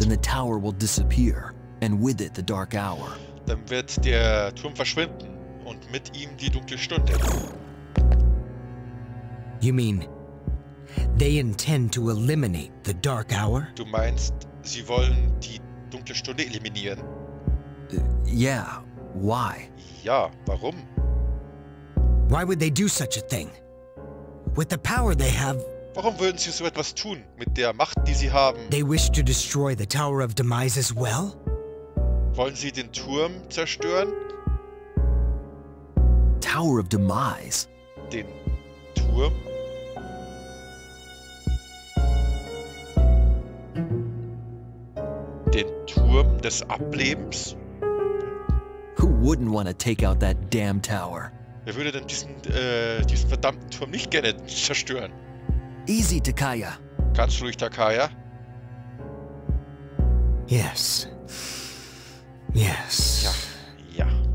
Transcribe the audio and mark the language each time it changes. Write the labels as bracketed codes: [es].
[en] Then the tower will disappear, and with it the dark hour. [de] Dann wird der Turm verschwinden, und mit ihm die dunkle Stunde. [en] You mean, they intend to eliminate the dark hour? [de] Du meinst, sie wollen die dunkle Stunde eliminieren? [en] Yeah, why? [de] Ja, warum? [en] Why would they do such a thing? With the power they have... [de] Warum würden sie so etwas tun, mit der Macht, die sie haben? [en] They wish to destroy the Tower of Demise as well? [de] Wollen sie den Turm zerstören? [en] Tower of Demise? [de] Den Turm? Den Turm des Ablebens? [en] Who wouldn't want to take out that damn tower? [de] Wer würde denn diesen verdammten Turm nicht gerne zerstören? [en] Easy, Takaya. [de] Ganz ruhig, Takaya. [en] Yes. Yes. [de] Ja. Ja.